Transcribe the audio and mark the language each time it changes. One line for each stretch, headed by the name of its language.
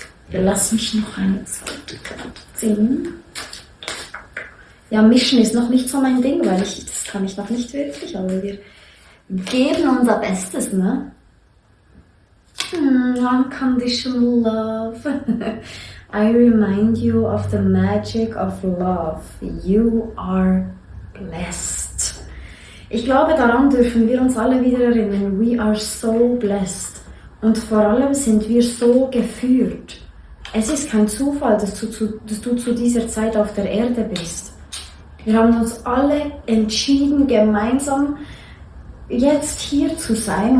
German: Lass mich noch eine zweite Karte ziehen. Ja, mischen ist noch nicht so mein Ding, weil das kann ich noch nicht wirklich, aber wir geben unser Bestes, ne?
English: Unconditional love. I remind you of the magic of love. You are blessed.
German: Ich glaube, daran dürfen wir uns alle wieder erinnern.
English: We are so blessed.
German: Und vor allem sind wir so geführt. Es ist kein Zufall, dass du zu dieser Zeit auf der Erde bist. Wir haben uns alle entschieden, gemeinsam jetzt hier zu sein.